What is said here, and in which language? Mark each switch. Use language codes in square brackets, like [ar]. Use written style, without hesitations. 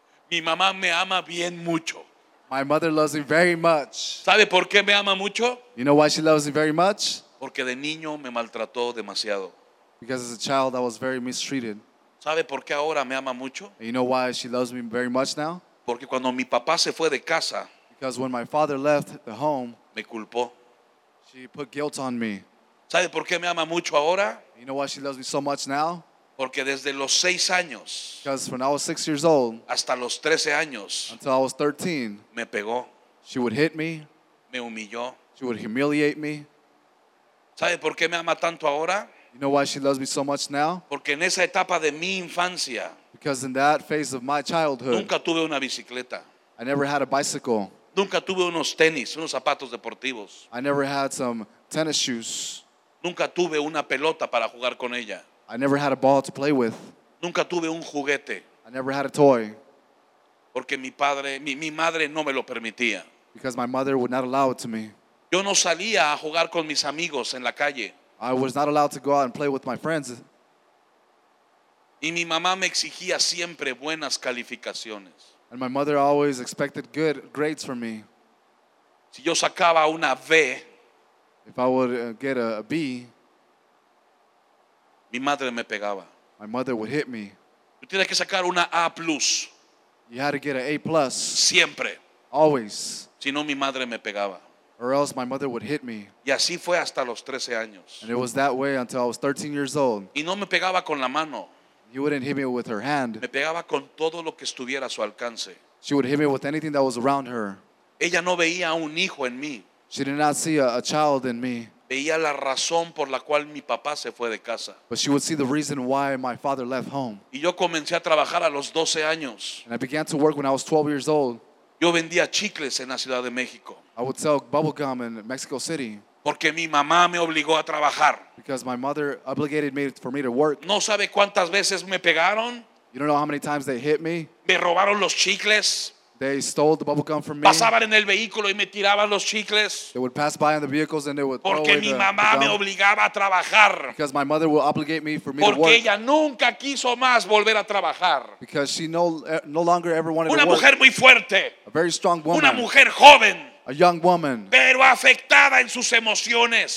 [es] Mi mamá me ama bien mucho. [en] My mother loves me very much. [es] ¿Sabe por qué me ama mucho? [en] You know why she loves me very much? [es] Porque de niño me maltrató demasiado. [en] Because as a child I was very mistreated. [es] ¿Sabe por qué ahora me ama mucho? [en] And you know why she loves me very much now? [es] Porque cuando mi papá se fue de casa, [en] because when my father left the home, [es] me culpó. [en] She put guilt on me. [es] ¿Sabe por qué me ama mucho ahora? [en] And you know why she loves me so much now? [es] Porque desde los 6 años, [en] because when I was 6 years old, [es] hasta los 13 años, [en] until I was 13, [es] me pegó. [en] She would hit me. [es] Me humilló. [en] She would humiliate me. [es] ¿Sabe por qué me ama tanto ahora? [en] You know why she loves me so much now? [es] Porque en esa etapa de mi infancia, [en] because in that phase of my childhood, [es] nunca tuve una bicicleta. [en] I never had a bicycle. [es] Nunca tuve unos tenis, unos zapatos deportivos. [en] I never had some tennis shoes. [es] Nunca tuve una pelota para jugar con ella. [en] I never had a ball to play with. [es] Nunca tuve un juguete. [en] I never had a toy. [es] Porque mi madre no me lo permitía. [en] Because my mother would not allow it to me. [es] Yo no salía a jugar con mis amigos en la calle. [en] I was not allowed to go out and play with my friends. [es] Y mi mamá me exigía siempre buenas calificaciones. [en] And my mother always expected good grades from me. [es] Si yo sacaba una B, [en] if I would get a B, [es] mi madre me pegaba. [en] My mother would hit me. [es] Tú tienes que sacar una A plus. [en] You had to get an A plus. [es] Siempre. [en] Always. [es] Si no, mi madre me pegaba. [en] Or else my mother would hit me. [es] Y así fue hasta los 13 años. [en] And it was that way until I was 13 years old. [es] Y no me pegaba con la mano. [en] He wouldn't hit me with her hand. [es] Me pegaba con todo lo que estuviera a su alcance. [en] She would hit me with anything that was around her. [es] Ella no veía un hijo en mí. [en] She did not see a child in me. [es] Veía la razón por la cual mi papá se fue de casa. [en] But she would see the reason why my father left home. [es] Y yo comencé a trabajar a los 12 años. [en] And I began to work when I was 12 years old. [es] Yo vendía chicles en la Ciudad de México. [en] I would sell bubble gum in Mexico City. [es] Porque mi mamá me obligó a trabajar. [en] Because my mother obligated me for me to work. [es] No sabe cuántas veces me pegaron. [en] You don't know how many times they hit me. [es] Me robaron los chicles. [en] They stole the bubble gum from me. [es] Pasaban en el vehículo y me tiraban los chicles. [en] They would pass by in the vehicles and they would [es] Porque [en] throw away [es] mi mamá [en] the gum. [es] Me obligaba a trabajar. [en] Because my mother would obligate me for me [es] Porque [en] to work. [es] Ella nunca quiso más volver a trabajar. [en] Because she no longer ever wanted [es] Una [en] to work. [es] Una mujer muy fuerte. [en] A very strong woman. [es] Una mujer joven. [en] A young woman. [es] Pero afectada en sus emociones.